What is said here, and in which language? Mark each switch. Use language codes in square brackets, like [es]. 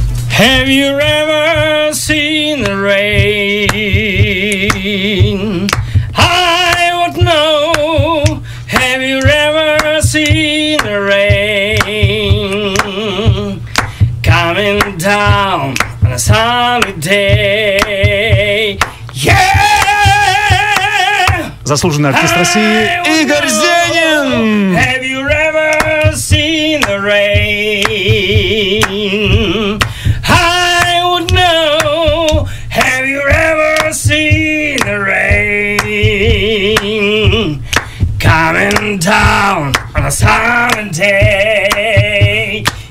[en] Have you ever seen the rain? I would know. Have you ever seen the rain coming down on a sunny day? Yeah! [ru] Заслуженный артист России Игорь Зенин! [en] Have you ever seen the rain? I would know. Have you ever seen the rain coming down on a sunny day?